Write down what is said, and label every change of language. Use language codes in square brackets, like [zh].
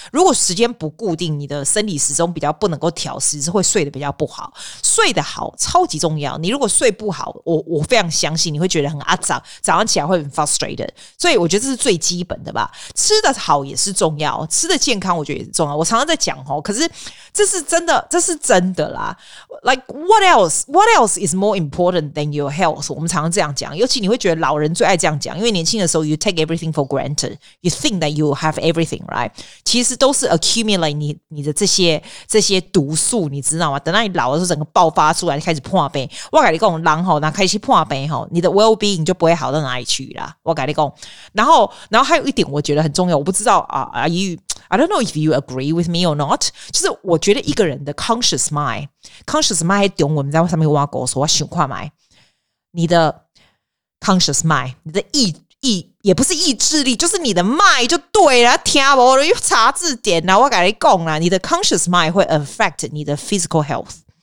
[zh] 如果时间不固定，你的生理时钟比较不能够调时，是会睡得比较不好。睡得好超级重要，你如果睡不好，我非常相信你会觉得很阿杂，早上起来会很 frustrated， 所以我觉得这是最基本的吧。吃的好也是重要，吃的健康我觉得也是重要。我常常在讲，可是这是真的，这是真的啦。 [en] Like what else is more important than your health， [zh] 我们常常这样讲，尤其你会觉得老人最爱这样讲，因为年轻的时候 [en] you take everything for granted， you think that you have everything right， [zh] 其实都是 [en] accumulate [zh] 你的这些毒素，你知道吗？等到你老的时候整个爆发出来，开始破病，我跟你说，人吼如果开始破病吼，你的 well being 就不会好到哪里去啦，我跟你说。然后还有一点我觉得很重要，我不知道啊、 [en] I don't know if you agree with me or not， [zh] 就是我觉得一个人的 conscious mind 还中文在上面挖狗说我想看看你的Conscious mind， 你的意也不是意志力，就是你的 mind 就对了，听不懂又查字典啦，我跟你说啦，你的 conscious mind 会 affect 你的 physical health。